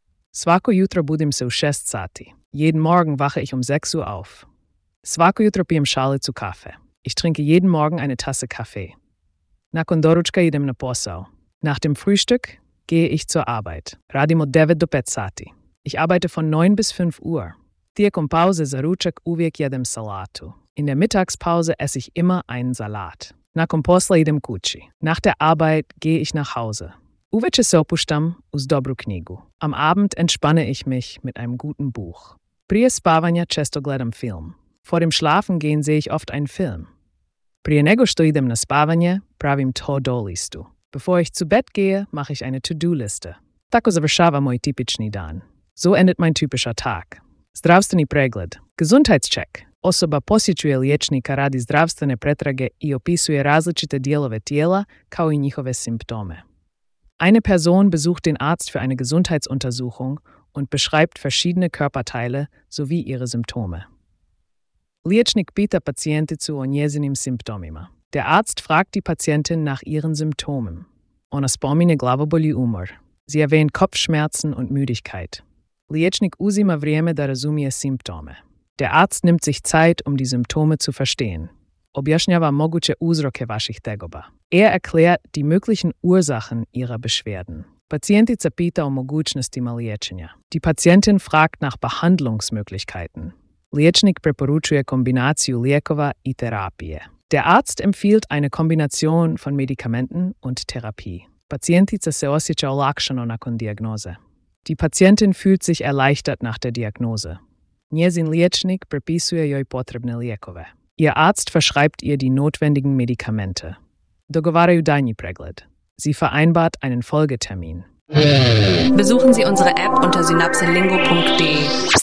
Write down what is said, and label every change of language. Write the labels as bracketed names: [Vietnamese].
[Croatian] Svako jutro budim se u 6 sati. [German] Jeden Morgen wache ich um 6 Uhr auf. [Croatian] Svako jutro pijem šale [German] zu Kaffee. Ich trinke jeden Morgen eine Tasse Kaffee. [Croatian] Nakon doručka idem na posao. [German] Nach dem Frühstück gehe ich zur Arbeit. [Croatian] Radim od 9 do 5 sati. [German] Ich arbeite von 9 bis 5 Uhr. [Croatian] Tijekom pauze za ručak uvijek jedem salatu. [German] In der Mittagspause esse ich immer einen Salat. [Croatian] Nakon posla idem kući. [German] Nach der Arbeit gehe ich nach Hause. [Croatian] Uveče se opuštam uz dobru knjigu. [German] Am Abend entspanne ich mich mit einem guten Buch. [Croatian] Prije spavanja često gledam film. [German] Vor dem Schlafen gehen sehe ich oft einen Film. [Croatian] Prije nego što idem na spavanje, pravim to-do listu. [German] Bevor ich zu Bett gehe, mache ich eine To-Do-Liste. [Croatian] Tako završava moj tipični dan. [German] So endet mein typischer Tag. [Croatian] Zdravstveni pregled. Gesundheitscheck. Osoba posjećuje liječnika, radi zdravstvene pretrage i opisuje različite dijelove tijela kao i njihove simptome. [German] Eine Person besucht den Arzt für eine Gesundheitsuntersuchung und beschreibt verschiedene Körperteile sowie ihre Symptome. [Croatian] Liječnik pita pacijenticu o njezinim simptomima. [German] Der Arzt fragt die Patientin nach ihren Symptomen. [Croatian] Ona spomine glavobol i umor. [German] Sie erwähnt Kopfschmerzen und Müdigkeit. [Croatian] Liječnik uzima vrijeme da razumije simptome. [German] Der Arzt nimmt sich Zeit, um die Symptome zu verstehen. [Croatian] Objašnjava moguće uzroke vaših tegoba. [German] Er erklärt die möglichen Ursachen ihrer Beschwerden. [Croatian] Pacijentica pita o mogućnostima liječenja. [German] Die Patientin fragt nach Behandlungsmöglichkeiten. [Croatian] Liječnik preporučuje kombinaciju lijekova i terapije. [German] Der Arzt empfiehlt eine Kombination von Medikamenten und Therapie. [Croatian] Pacijentica se osjeća olakšano nakon diagnoze. [German] Die Patientin fühlt sich erleichtert nach der Diagnose. [Croatian] Njezin liječnik prepisuje joj potrebne lijekove. [German] Ihr Arzt verschreibt ihr die notwendigen Medikamente. [Croatian] Dogovaraju daljnji pregled. [German] Sie vereinbart einen Folgetermin. Besuchen Sie unsere App unter synapselingo.de.